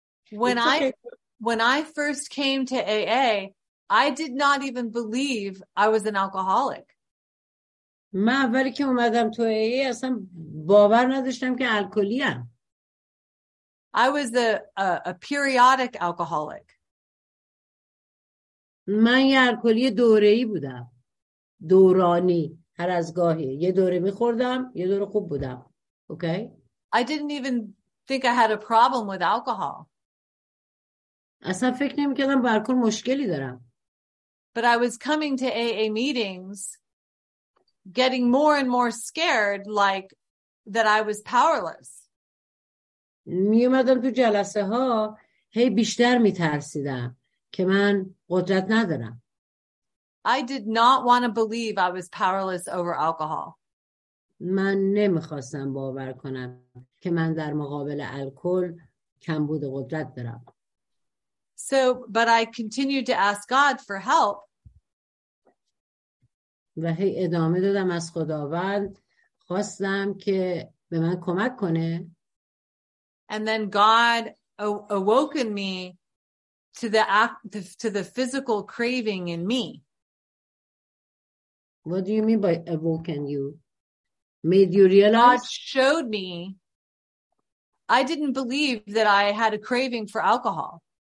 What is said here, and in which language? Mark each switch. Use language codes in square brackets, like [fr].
[en] When I first came to AA, I did not even believe I was an alcoholic. [fa] من اولی که اومدم تو AA اصلا باور نداشتم که الکلیم. [en] I was a periodic alcoholic. [fa] من یه الکلی دوره‌ای بودم. دورانی، هر از گاهی. یه دوره میخوردم، یه دوره خوب بودم. [en] Okay? I didn't even think I had a problem with alcohol. [fa] اصلا فکر نمی‌کردم برخورد مشکلی دارم. [en] But I was coming to AA meetings getting more and more scared, like that I was powerless. [fa] می‌اومدم تو جلسه ها هی بیشتر می‌ترسیدم که من قدرت ندارم. [en] I did not want to believe I was powerless over alcohol. [fa] من نمی‌خواستم باور کنم که من در مقابل الکل کمبود قدرت دارم. [en] So, but I continued to ask God for help. [fa] و هی ادامه دادم از خداوند خواستم که به من کمک کنه. [en] And then God awoken me to the physical craving in me. What do you mean by awoken you? Made you realize? God showed me. I didn't believe that I had a craving for alcohol.